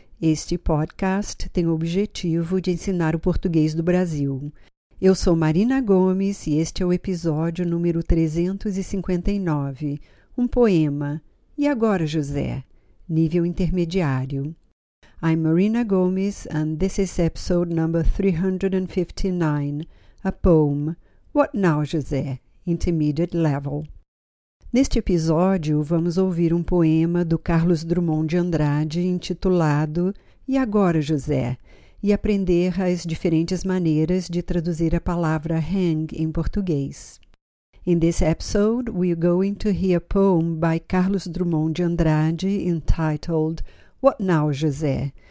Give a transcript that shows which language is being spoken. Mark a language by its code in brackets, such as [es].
[pt] Este podcast tem o objetivo de ensinar o português do Brasil. Eu sou Marina Gomes e este é o episódio número 359, um poema. E agora, José? Nível intermediário. [en] I'm Marina Gomes and this is episode number 359, a poem. What now, José? Intermediate level. [pt] Neste episódio, vamos ouvir um poema do Carlos Drummond de Andrade intitulado E agora, José? E aprender as diferentes maneiras de traduzir a palavra hang em português. [en] In this episode, we're going to hear a poem by Carlos Drummond de Andrade entitled What Now, José?